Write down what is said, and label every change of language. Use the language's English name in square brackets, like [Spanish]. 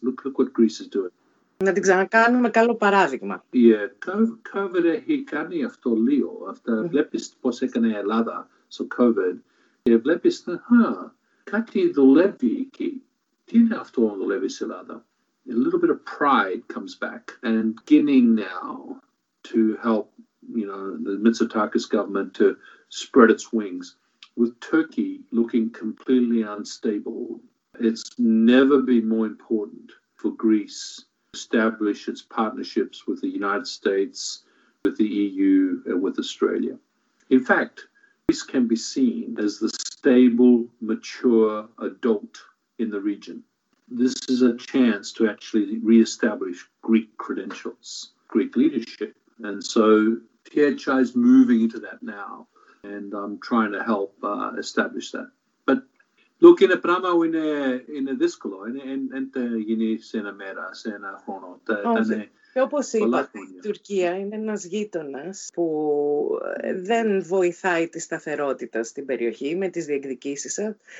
[English] Look what Greece is doing. [Greek] Να την ξανακάνουμε καλό παράδειγμα. [English] Yeah, [Greek] COVID έχει κάνει αυτό λίγο. Βλέπεις πώς έκανε η Ελλάδα στο COVID και βλέπεις, κάτι δουλεύει εκεί. Τι είναι αυτό που δουλεύει στην Ελλάδα? [English] A little bit of pride comes back and beginning now to help, you know, the Mitsotakis government to spread its wings. With Turkey looking completely unstable, it's never been more important for Greece establish its partnerships with the United States, with the EU, and with Australia. In fact, this can be seen as the stable, mature adult in the region. This is a chance to actually re-establish Greek credentials, Greek leadership. And so THI is moving into that now, and I'm trying to help establish that. Look, [Greek] είναι πράγμα που είναι δύσκολο. Είναι γίνει σε ένα μέρα, σε ένα χρόνο. Και όπως είπα, η Τουρκία είναι ένας γείτονας που δεν βοηθάει τη σταθερότητα στην περιοχή με τις διεκδικήσεις σας.